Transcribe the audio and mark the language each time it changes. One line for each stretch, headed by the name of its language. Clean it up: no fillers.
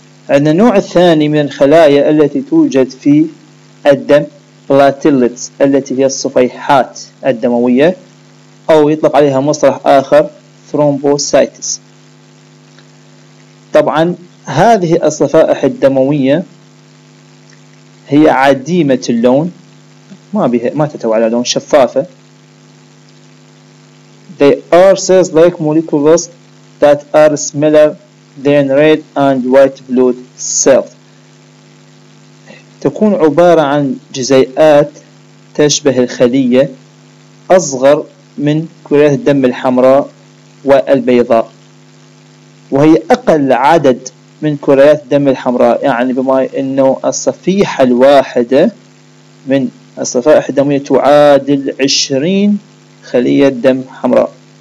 Arabic: عندنا النوع الثاني من الخلايا التي توجد في الدم بلاتيلتس، التي هي الصفيحات الدموية، أو يطلق عليها مصطلح آخر thrombocytes. طبعا هذه الصفائح الدموية هي عديمة اللون، ما تتوى على لون، شفافة.
English: They are cells like molecules that are smaller than red and white blood cells.
Arabic: تكون عبارة عن جزيئات تشبه الخلية، أصغر من كريات الدم الحمراء والبيضاء، وهي أقل عدد من كريات الدم الحمراء، يعني بما أنه الصفيحة الواحدة من الصفائح الدموية تعادل 20 خلية دم حمراء.